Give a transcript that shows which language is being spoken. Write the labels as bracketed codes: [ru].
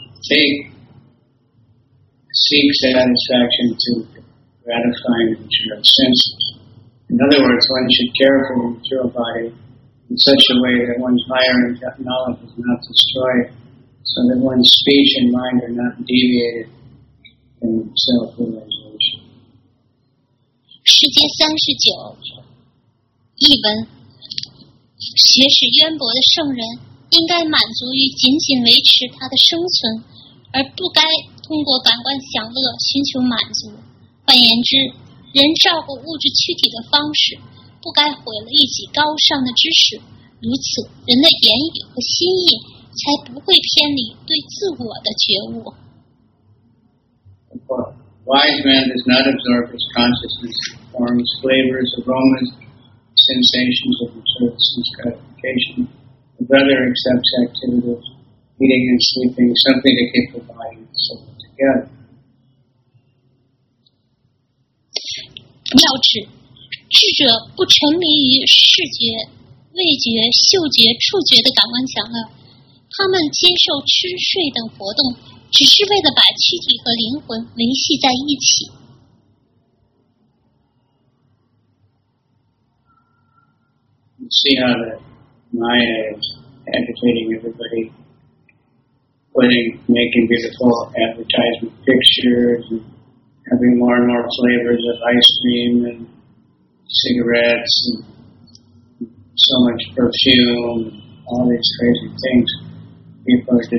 [en] seek satisfaction through gratifying the material senses. In other words, one should care for the material body in such a way that one's higher knowledge is not destroyed, so that one's speech and mind are not deviated in self-realization. [zh] 世界三十九，译文：学识渊博的圣人应该满足于仅仅维持他的生存，而不该通过感官享乐寻求满足。换言之，人照顾物质躯体的方式不该毁了一己高尚的知识，如此人的言语和心意才不会偏离对自我的觉悟。 [en] Wise man does not absorb his consciousness in forms, flavors, aromas, sensations of material sense gratification. The brother accepts activities, eating and sleeping, something to keep the body and soul together. [zh] 要知，智者不沉迷于视觉、味觉、嗅觉、触觉的感官享乐，他们接受吃、睡等活动，只是为了把躯体和灵魂维系在一起。 [en] You see how the Maya is agitating everybody, putting, making beautiful advertisement pictures, and having more and more flavors of ice cream and cigarettes and so much perfume, all these crazy things.